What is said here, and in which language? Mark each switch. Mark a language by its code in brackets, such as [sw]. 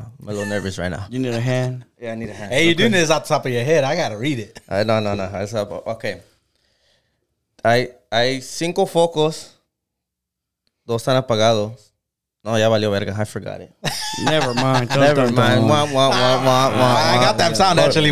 [en] I'm a little nervous right now. You need a hand? Yeah, I need a hand. Hey, okay. You're doing this off the top of your head. I got to read it. No. It's up. Okay. [es] Hay cinco focos. Dos están apagados. No, ya valió verga. [en] I forgot it. Never mind. Never mind. I got that sound, actually.